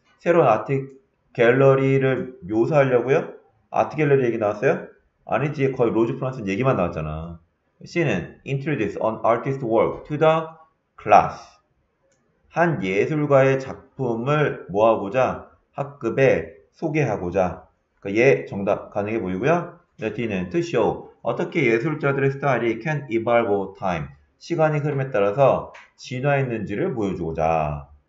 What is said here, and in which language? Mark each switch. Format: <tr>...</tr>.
<ko>새로운 아트 갤러리를 묘사하려고요? 아트 갤러리 얘기 나왔어요? 아니지, 거의 로즈 프랑스는 얘기만 나왔잖아. C는</ko> <en>introduce an artist work to the class.</en> <ko>한 예술가의 작품을 모아보자 학급에 소개하고자. 그러니까 예, 정답 가능해 보이고요. D는</ko> <en>to show</en> <ko>어떻게 예술자들의 스타일이</ko> <en>can evolve over time.</en> <ko>시간이 흐름에 따라서 진화했는지를 보여주고자.</ko>